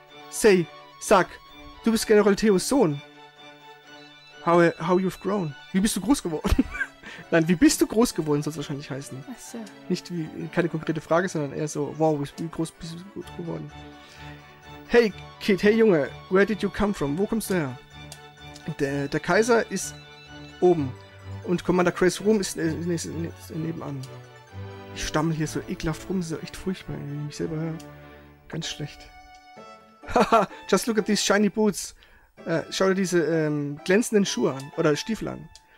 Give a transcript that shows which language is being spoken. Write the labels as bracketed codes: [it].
[de] Say, sag, du bist General Theos Sohn. [en] How you've grown. [de] Wie bist du groß geworden? Nein, wie bist du groß geworden, soll es wahrscheinlich heißen. Ach so. Nicht wie, keine konkrete Frage, sondern eher so, wow, wie groß bist du gut geworden. [en] Hey, Kid, hey, Junge, where did you come from? [de] Wo kommst du her? Der Kaiser ist oben und Commander Grace Room ist nebenan. Ich stammel hier so ekelhaft rum, das ist echt furchtbar, wenn ich mich selber höre. Ganz schlecht. [en] Haha, just look at these shiny boots. [de] Schau dir diese glänzenden Schuhe an, oder Stiefel an.